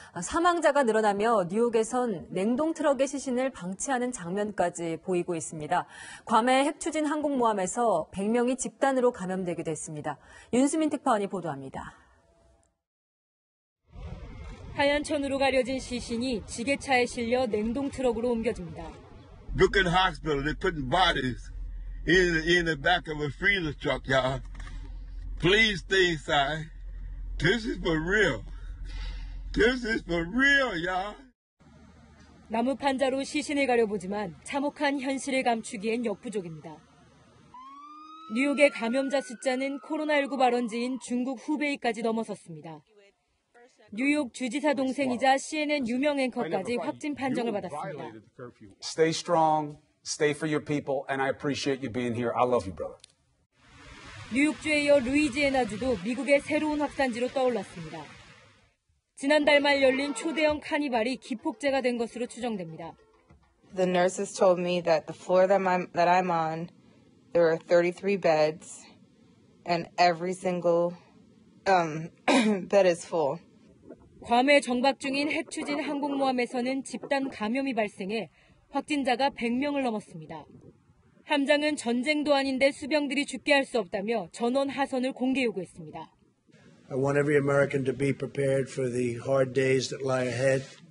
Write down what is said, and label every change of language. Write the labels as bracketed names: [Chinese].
[Korean] 사망자가 늘어나며 뉴욕에선 냉동 트럭에 시신을 방치하는 장면까지 보이고 있습니다. 괌의 핵추진 항공모함에서 100명이 집단으로 감염되기도 했습니다. 윤수민 특파원이 보도합니다. 하얀 천으로 가려진 시신이 지게차에 실려 냉동 트럭으로 옮겨집니다. [English] Brooklyn Hospital, they put bodies in the back of a freezer truck, y'all. Please stay inside. This is for real. This is for real, y'all. [Korean] 나무 판자로 시신을 가려보지만 참혹한 현실을 감추기엔 역부족입니다. 뉴욕의 감염자 숫자는 코로나19 발원지인 중국 후베이까지 넘어섰습니다. 뉴욕 주지사 동생이자 CNN 유명 앵커까지 확진 판정을 받았습니다. [English] Stay strong. Stay for your people. And I appreciate you being here. I love you, brother. [Korean] 뉴욕주에 이어 루이지애나주도 미국의 새로운 확산지로 떠올랐습니다. 지난달 말 열린 초대형 카니발이 기폭제가 된 것으로 추정됩니다. [English] The nurses told me that the floor that I'm on, there are 33 beds, and every single bed is full. [Korean] 괌에 정박 중인 핵추진 항공모함에서는 집단 감염이 발생해 확진자가 100명을 넘었습니다. 함장은 전쟁도 아닌데 수병들이 죽게 할 수 없다며 전원 하선을 공개 요구했습니다. [English] I want every American to be prepared for the hard days that lie ahead.